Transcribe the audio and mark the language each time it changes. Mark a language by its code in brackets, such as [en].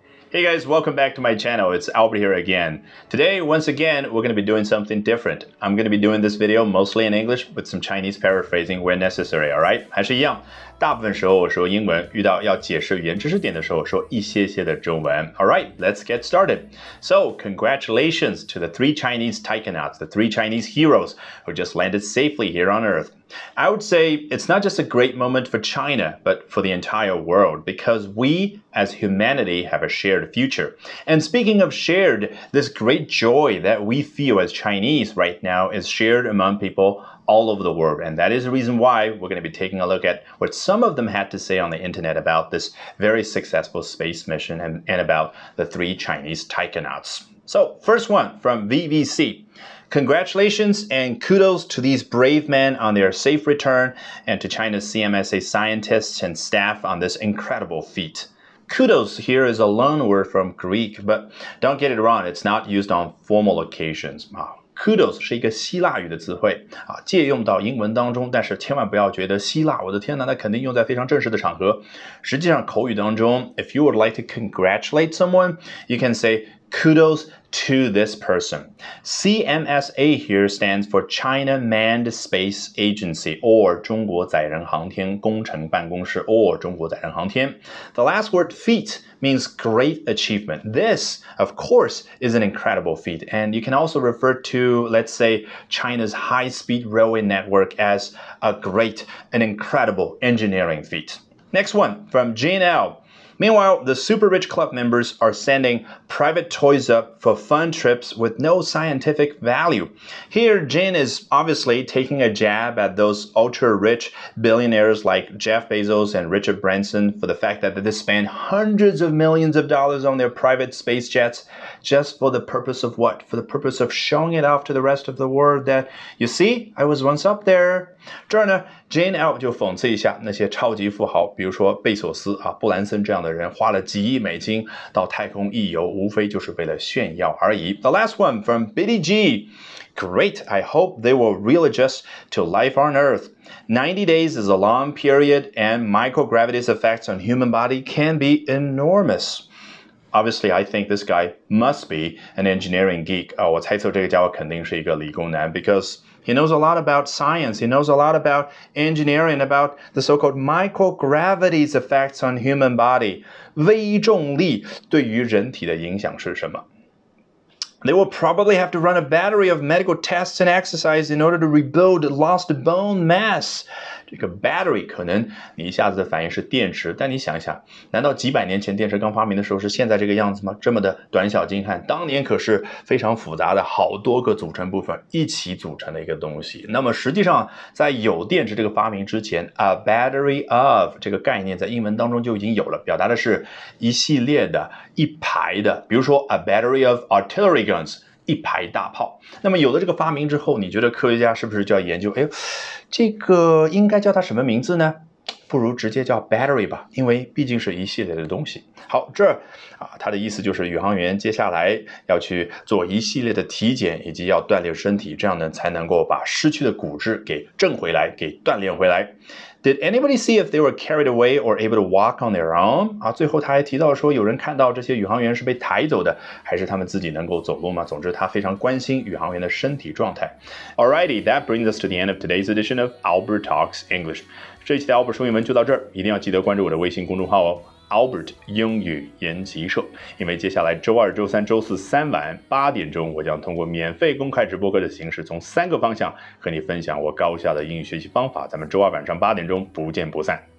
[en] Hey guys, welcome back to my channel. It's Albert here again. Today, once again, we're going to be doing something different. I'm going to be doing this video mostly in English with some Chinese paraphrasing where necessary, all right? [zh] 还是一样，大部分时候我说英文，遇到要解释语言知识点的时候，我说一些些的中文。 [en] All right, let's get started. So, congratulations to the three Chinese taikonauts, the three Chinese heroes who just landed safely here on Earth. I would say it's not just a great moment for China, but for the entire world, because we as humanity have a shared future. And speaking of shared, this great joy that we feel as Chinese right now is shared among people all over the world. And that is the reason why we're going to be taking a look at what some of them had to say on the internet about this very successful space mission and about the three Chinese taikonauts. So first one from VVC. Congratulations and kudos to these brave men on their safe return and to China's CMSA scientists and staff on this incredible feat. Kudos here is a loan word from Greek, but don't get it wrong, it's not used on formal occasions. [zh] Kudos 是一个希腊语的词汇、啊、借用到英文当中，但是千万不要觉得希腊，我的天哪，那肯定用在非常正式的场合。实际上口语当中 [en] ,if you would like to congratulate someone, you can say,Kudos to this person. CMSA here stands for China Manned Space Agency, or [zh] 中国载人航天工程办公室 [en] or [zh] 中国载人航天。 [en] The last word, feat, means great achievement. This, of course, is an incredible feat. And you can also refer to, let's say, China's high-speed railway network as a great, an incredible engineering feat. Next one, from Gene L. Meanwhile, the super rich club members are sending private toys up for fun trips with no scientific value. Here, Jin is obviously taking a jab at those ultra-rich billionaires like Jeff Bezos and Richard Branson for the fact that they spend hundreds of millions of dollars on their private space jets just for the purpose of what? For the purpose of showing it off to the rest of the world that, you see, I was once up there. [zh] 这儿呢 ,Jin L 就讽刺一下那些超级富豪比如说贝索斯、啊、布兰森这样的人花了几亿美金到太空一游，无非就是为了炫耀而已。 [en] The last one from Biddy G. Great, I hope they will readjust to life on Earth. 90 days is a long period, and microgravity's effects on human body can be enormous. Obviously, I think this guy must be an engineering geek.、Oh, [zh] 我猜测这个家伙肯定是一个理工男 [en] because he knows a lot about science. He knows a lot about engineering, about the so-called microgravity's effects on human body. [zh] 微重力对于人体的影响是什么？ [en] They will probably have to run a battery of medical tests and exercise in order to rebuild lost bone mass. [zh] 这个 battery 可能你一下子的反应是电池，但你想一下，难道几百年前电池刚发明的时候是现在这个样子吗？这么的短小精悍，当年可是非常复杂的，好多个组成部分一起组成的一个东西。那么实际上，在有电池这个发明之前 ， [en] a battery of [zh] 这个概念在英文当中就已经有了，表达的是一系列的、一排的，比如说 [en] a battery of artillery. [zh] Guns, 一排大炮。那么有了这个发明之后，你觉得科学家是不是就要研究？哎，这个应该叫它什么名字呢？不如直接叫 battery 吧，因为毕竟是一系列的东西。好，这啊，他的意思就是宇航员接下来要去做一系列的体检，以及要锻炼身体，这样呢才能够把失去的骨质给挣回来，给锻炼回来。 [en] Did anybody see if they were carried away or able to walk on their own? [zh] 啊，最后他还提到说，有人看到这些宇航员是被抬走的，还是他们自己能够走路吗？总之，他非常关心宇航员的身体状态。 [en] Alrighty, that brings us to the end of today's edition of Albert Talks English. [zh] 这一期的 Albert 说英文就到这儿，一定要记得关注我的微信公众号哦。Albert 英语研习社，因为接下来周二、周三、周四三晚八点钟，我将通过免费公开直播课的形式，从三个方向和你分享我高效的英语学习方法。咱们周二晚上八点钟不见不散。